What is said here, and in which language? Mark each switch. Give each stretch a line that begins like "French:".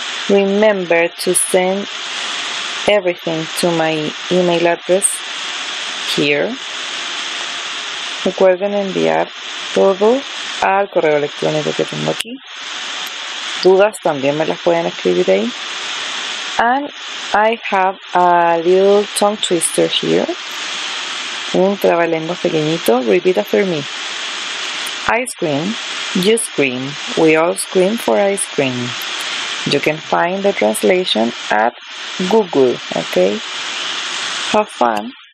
English: Remember to send everything to my email address here.
Spanish: Recuerden enviar todo al correo electrónico que tengo aquí. Dudas también me las pueden escribir ahí.
English: And I have a little tongue twister here.
Spanish: Un trabalenguas pequeñito.
English: Repeat after me. Ice cream. You scream. We all scream for ice cream. You can find the translation at Google, okay? Have fun!